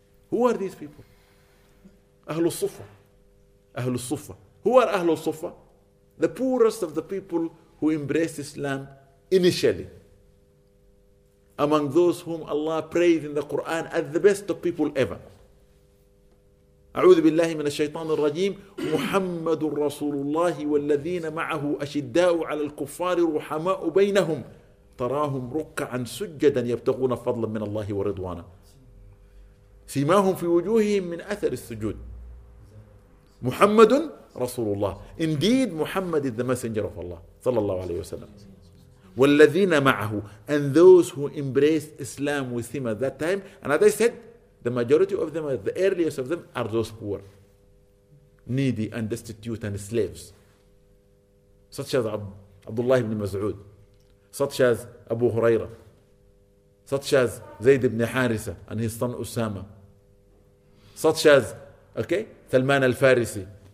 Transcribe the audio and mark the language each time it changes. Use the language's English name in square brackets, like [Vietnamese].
[English] Who are these people? Ahlul Sufa. Ahlul Sufa. Who are Ahlul Sufa? The poorest of the people who embraced Islam initially. Among those whom Allah praised in the Quran as the best of people ever. [Arabic] أعوذ بالله من الشيطان الرجيم محمد رسول الله والذين معه أشداء على الكفار رحماء بينهم تراهم ركعا سجدا يبتغون فضلا من الله ورضوانا سيماهم في وجوههم من أثر السجود محمد رسول الله. [English] Indeed, Muhammad is the messenger of Allah [Arabic] صلى الله عليه وسلم. والذين معه, [English] and those who embraced Islam with him at that time, and as I said, the majority of them, the earliest of them, are those poor, needy and destitute and slaves, such as Abdullah ibn Mas'ud, such as Abu Huraira, such as Zayd ibn Harisa and his son Usama, such as, okay, Salman al-Farisi,